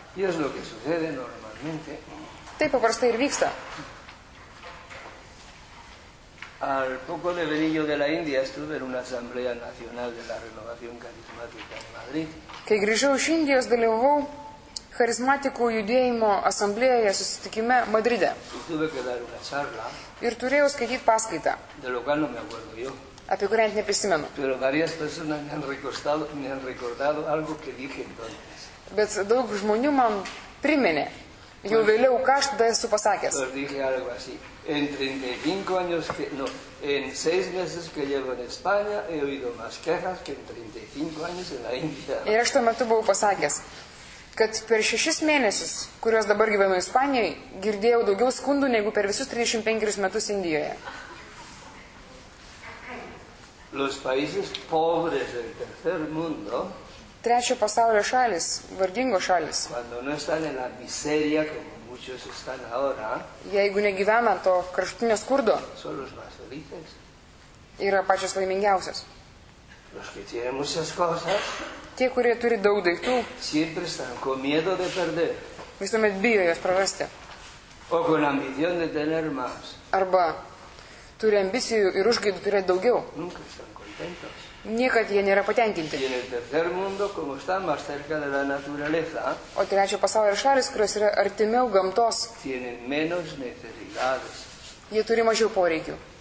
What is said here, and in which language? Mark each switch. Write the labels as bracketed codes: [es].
[lt] Tai paprastai ir vyksta. [es] Al poco de venillo de la India estuve en una asamblea nacional de la renovación carismática en Madrid. [lt] Kai grįžau iš Indijos, dalyvau charizmatikų judėjimo asamblėje susitikime Madride. [es] Tuve que dar una charla. [lt] Ir turėjau skaityti paskaitą. [es] De lo cual no me acuerdo yo. [lt] Apie kurią neprisimenu. [es] Pero varias personas me han recordado algo que dije entonces. [lt] Bet daug žmonių man priminė. Jau vėliau, ką aš tada esu pasakęs? [es] Aš dije algo así. En 35 años que, no, en 6 meses que llevo en España he oído más quejas que en 35 años en la India. [lt] Ir aš tuo metu buvau pasakęs, kad per 6 mėnesius, kuriuos dabar gyvenu Ispanijoje, girdėjau daugiau skundų negu per visus 35 metus Indijoje. [es] Los países pobres del tercer mundo. [lt] Trečio pasaulio šalis, vargingo šalis. [es] Cuando no están en la miseria como muchos están ahora. [lt] Jeigu negyvena to kraštinio skurdo. [es] Son los más felices. [lt] Yra pačios laimingiausios. [es] Los que tienen muchas cosas. [lt] Tie, kurie turi daug daiktų. [es] Siempre están con miedo de perder. [lt] Visuomet bijo jas prarasti. [es] O con ambición de tener más. [lt] Arba turi ambicijų ir užgaidų turėti daugiau. [es] Nunca están contentos. [lt] Niekad jie nėra patenkinti. O trečio pasaulio šalis, kurios yra artimiau gamtos, jie turi mažiau poreikių.